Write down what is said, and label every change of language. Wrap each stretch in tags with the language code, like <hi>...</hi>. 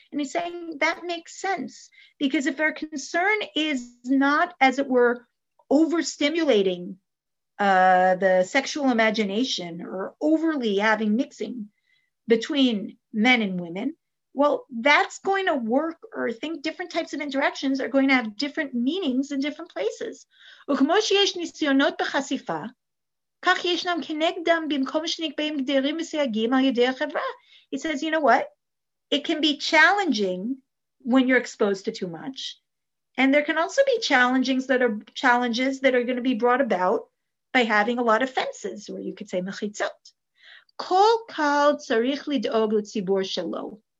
<en>And he's saying that makes sense. Because if our concern is not, as it were, overstimulating the sexual imagination or overly having mixing between men and women, well, that's going to work, or I think different types of interactions are going to have different meanings in different places.</en> <he>וכמו שיש ניסיונות בחשיפה, כך ישנם כנגדם במקום שנקבעים גדרים וסייגים על ידי החברה.</he> <en>He says, you know what? It can be challenging when you're exposed to too much. And there can also be challenges that are going to be brought about by having a lot of fences, or you could say mechitzot.</en> <he>Kol kal tzarich lidog l'tzibur shelo.</he>